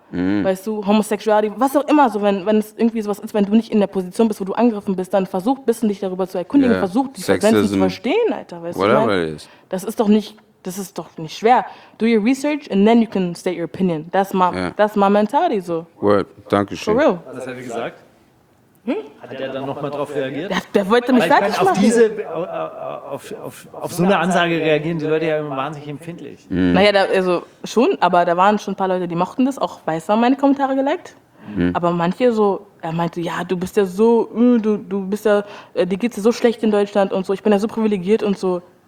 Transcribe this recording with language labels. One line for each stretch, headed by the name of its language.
German: Weißt du, Homosexuality, was auch immer, so wenn es irgendwie sowas ist, wenn du nicht in der Position bist, wo du angegriffen bist, dann versuch ein bisschen dich darüber zu erkundigen, versuch die Sexism, Grenzen zu verstehen, Alter, weißt du, das ist doch nicht schwer.
English: Do your research and then you can state your opinion. That's my mentality, so.
German: Word, danke schön.
English: For real.
German: Was hat er gesagt? Hat er dann nochmal drauf reagiert? Der wollte mich fertig machen. Auf so eine Ansage reagieren die Leute ja immer wahnsinnig empfindlich. Mhm. Naja, da, also schon, aber da waren schon ein paar Leute, die mochten das, auch weiß war meine Kommentare geliked. Mhm. Aber manche so, er meinte, ja, du bist ja so, du bist ja, dir geht's ja so schlecht in Deutschland und so, ich bin ja so privilegiert und so.